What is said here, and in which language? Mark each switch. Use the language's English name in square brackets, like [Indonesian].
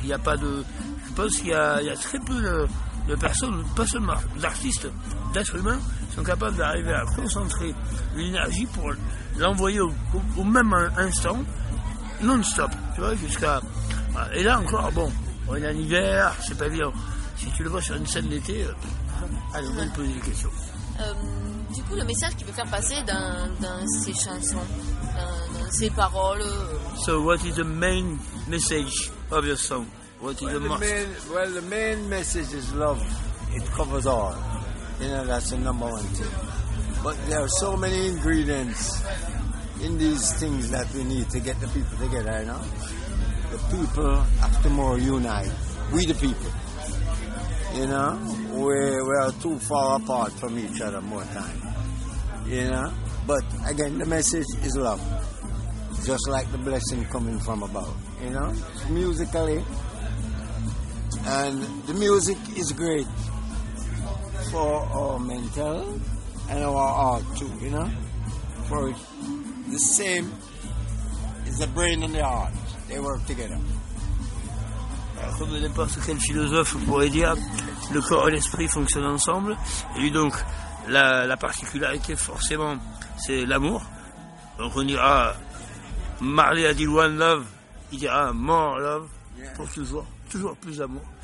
[French] Il y a pas de, je pense qu'il y a très peu de personnes, pas seulement d'artistes, d'êtres humains, sont capables d'arriver à concentrer l'énergie pour l'envoyer au même instant, non-stop, tu vois, jusqu'à... Et là encore, bon, on est en hiver, c'est pas bien. Si tu le vois sur une scène d'été... Allez, on va lui poser des questions. Du coup, le message qu'il veut faire passer dans ses chansons, dans ses paroles... [English] So, what is the main message of your song? What is the most? Well, the main message is love. It covers all. You know, that's the number one thing. But there are so many ingredients in these things that we need to get the people together, you know? The people have to more unite. We the people. You know, we are too far apart from each other more time. You know, but again, the message is love. Just like the blessing coming from above, you know, musically. And the music is great for our mental and our heart too, you know. For the same is the brain and the heart. They work together. [French] Comme n'importe quel philosophe pourrait dire, le corps et l'esprit fonctionnent ensemble. Et donc, la particularité, forcément, c'est l'amour. Donc, on dira, Marley a dit [English] one love, [French] il dira [English] more love, [French] pour toujours, toujours plus d'amour.